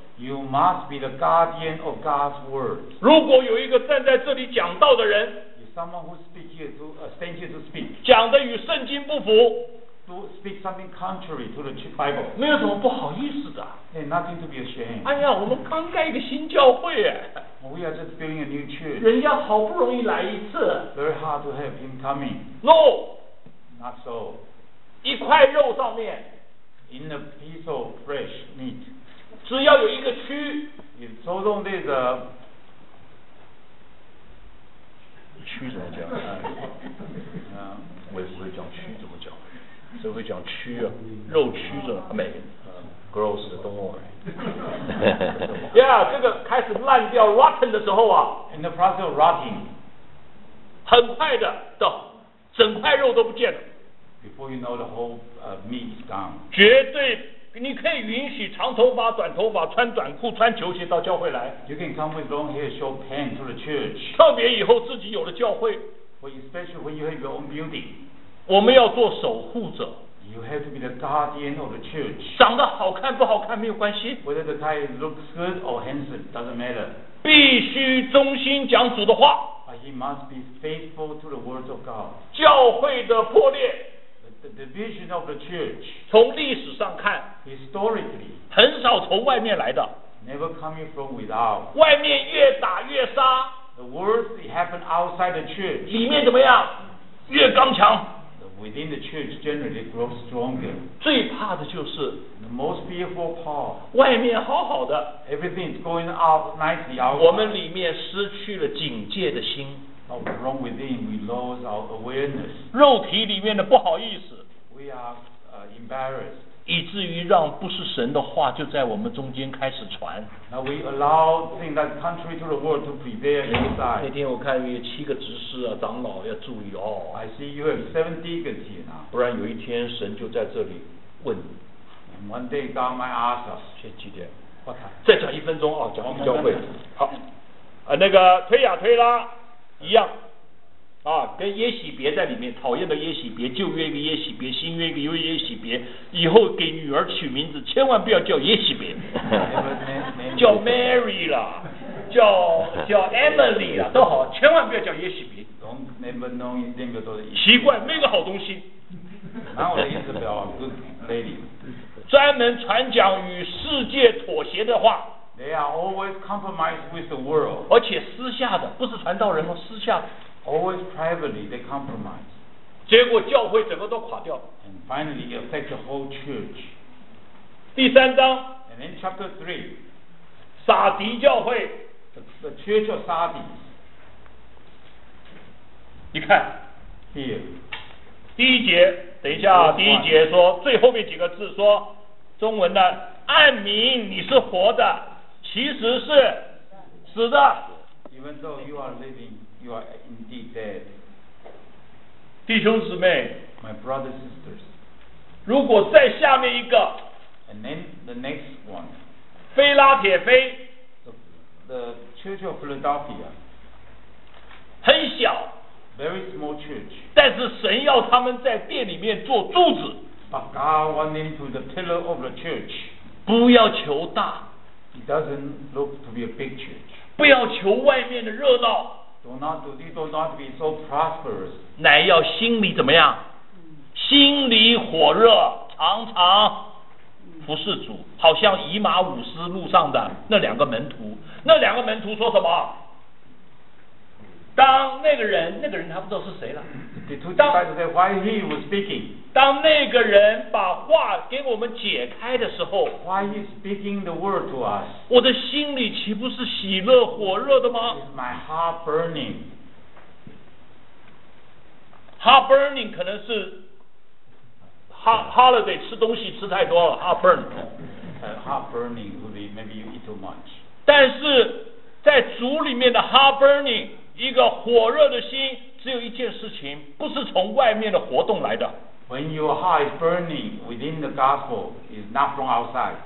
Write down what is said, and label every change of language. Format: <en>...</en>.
<en>You must be the guardian of God's word.</en> <zh>如果有一个站在这里讲道的人，</zh> <en>someone who speaks here to, stand here to speak,</en> <zh>讲的与圣经不符，</zh> <en>to speak something contrary to the Bible,</en> <zh>没有什么不好意思的。</zh> <en>Hey, nothing to be ashamed.</en> <zh>哎呀，我们刚盖一个新教会。</zh> <en>We are just building a new church.</en> <zh>人家好不容易来一次。</zh> <en>Very hard to have him coming. No. Not so.</en> <zh>一块肉上面，</zh> <en>In a piece of fresh meat.</en> <zh>只要有一个区，</zh> <en>It's so long this</en> <zh>区怎么讲？我也不会讲区怎么讲， 谁会讲区啊？肉区怎么美？</zh> <en>Gross, don't worry.</en> <zh>Yeah, 这个开始烂掉 rotten的时候啊，</zh> <en>In the process of rotting,</en> <zh>很快的， 整块肉都不见了。</zh> <en>Before you know the whole meat is gone.</en> <zh>绝对 你可以允许长头发、短头发、穿短裤、穿球鞋到教会来。</zh> <en>You can come with long hair, short pants to the church.</en> <zh>特别以后自己有了教会。</zh> <en>But especially when you have your own building.</en> <zh>我们要做守护者。</zh> <en>You have to be the guardian of the church.</en> <zh>长得好看不好看没有关系。</zh> <en>Whether the guy looks good or handsome, doesn't matter.</en> <zh>必须忠心讲主的话。</zh> <en>But he must be faithful to the words of God.</en> <zh>教会的破裂。</zh> <en>The division of the church.</en> <zh>从历史上看，</zh> <en>historically,</en> <zh>很少从外面来的。</zh> <en>Never coming from without.</en> <zh>外面越打越杀。</zh> <en>The worst it happened outside the church.</en> <zh>里面怎么样？越刚强。</zh> <en>Within the church generally grows stronger.</en> <zh>最怕的就是，</zh> <en>The most fearful part.</en> <zh>外面好好的。</zh> <en>Everything is going out nicely outside.</en> <zh>我们里面失去了警戒的心。</zh> <en>Wrong within, we lose our awareness.</en> <zh>肉体里面的不好意思。</zh> <en>We are embarrassed.</en> <zh>以至于让不是神的话就在我们中间开始传。</zh> <en>Now we allow things that contrary to the word to prevail inside.</en> <zh>那天我看有七个执事啊，长老要注意哦。</zh> <en>I see you have seven deacons here now.</en> <zh>不然有一天神就在这里问你。</zh> <en>And one day God might ask us.</en> <zh>现在几点？</zh> <en>What time?</en> <zh>再讲一分钟哦，讲教会。好。那个推亚推拉。 一样，啊，跟耶洗别在里面，讨厌的耶洗别，旧约一个耶洗别，新约一个又耶洗别，以后给女儿取名字千万不要叫耶洗别，叫 Mary 了，叫 Emily 了都好，千万不要叫耶洗别。</zh> <en>Don't never know the name of the</en> <zh>Lord. 奇怪，没个好东西。拿我的意思表</zh> <en>good lady，</en> <zh>专门传讲与世界妥协的话。</zh> <en>They are always compromised with the world.</en> <zh>而且私下的，不是传道人吗？私下的。</zh> <en>Always privately they compromise.</en> <zh>结果教会整个都垮掉。</zh> <en>And finally it affects the whole church.</en> <zh>第三章。</zh> <en>And in chapter three,</en> <zh>撒迪教会。</zh> <en>The church of Sardis.</en> <zh>你看。</zh> <en>Here.</en> <zh>第一节，等一下，第一节说最后面几个字说中文的，按明你是活的，其实是死的。</zh> <en>Even though you are living. You are indeed dead.</en> <zh>弟兄姊妹</zh> <en>My brothers and sisters.</en> <zh>如果再下面一个</zh> <en>And then the next one.</en> <zh>菲拉铁菲</zh> <en>the church of Philadelphia.</en> <zh>很小</zh> <en>Very small church.</en> <zh>但是神要他们在殿里面做柱子</zh> <en>But God wants them to the pillar of the church.</en> <zh>不要求大</zh> <en>It doesn't look to be a big church.</en> <zh>不要求外面的热闹</zh> <en>Do not do this. Do not be so prosperous.</en> <zh>乃要心里怎么样？心里火热，常常服侍主，好像以马忤斯路上的那两个门徒。那两个门徒说什么？当那个人他不知道是谁了。当</zh> <en>Why he was speaking?</en> <zh>当那个人把话给我们解开的时候</zh> <en>，Why he speaking the word to us?</en> <zh>我的心里岂不是喜乐火热的吗</zh> <en>？Is my heart burning? Heart burning</en> <zh>可能是 holiday 吃东西吃太多了 ，</zh> <en>heart burn. Heart burning would be maybe you eat too much.</en> <zh>但是在主里面的</zh> <en>heart burning。</en> <zh>一个火热的心只有一件事情不是从外面的活动来的</zh> <en>When your heart is burning within the gospel is not from outside</en>